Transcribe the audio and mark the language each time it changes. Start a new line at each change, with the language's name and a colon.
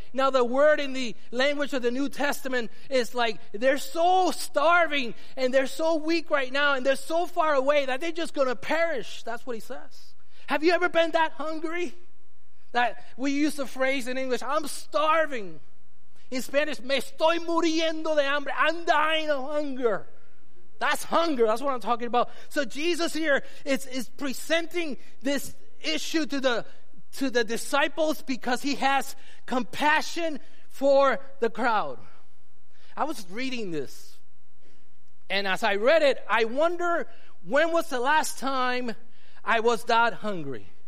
English: Now the word in the language of the New Testament is like, they're so starving and they're so weak right now and they're so far away that they're just going to perish. That's what he says. Have you ever been that hungry? That we use the phrase in English, I'm starving. In Spanish,
Spanish: me estoy muriendo de hambre.
English: I'm dying of hunger. That's hunger. That's what I'm talking about. So Jesus here is presenting this issue to the disciples because he has compassion for the crowd. I was reading this, and as I read it, I wonder when was the last time I was that hungry?